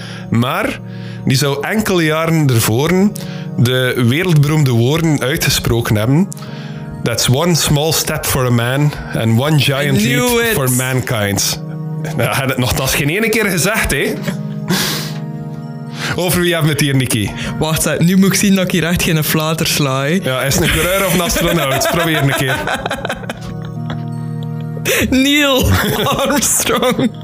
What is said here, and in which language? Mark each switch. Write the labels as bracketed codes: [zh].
[nl] Maar die zou enkele jaren ervoor de wereldberoemde woorden uitgesproken hebben. [en] That's one small step for a man and one giant leap for mankind. [nl] Nou, hij had het nogthans geen ene keer gezegd, hè? Over wie hebben we het hier, Nicky? Wacht, nu moet ik zien dat ik hier echt geen flater sla. Ja, is het een coureur of een astronaut? Probeer een keer. Neil Armstrong.